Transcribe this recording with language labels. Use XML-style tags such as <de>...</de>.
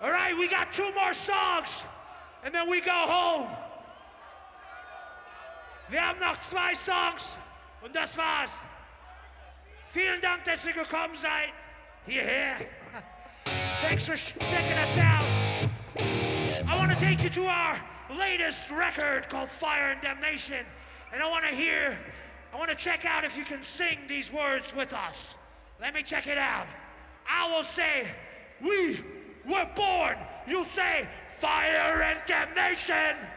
<en>right, we got two more songs, and then we go home.</en> <de>Wir haben noch zwei Songs, und das war's. Vielen Dank, dass ihr gekommen seid. Hierher.</de> <en>Thanks for checking us out. I want to take you to our latest record called Fire and Damnation. And I want to hear, I want to check out if you can sing these words with us. Let me check it out. I will say, we were born. You say, fire and damnation.</en>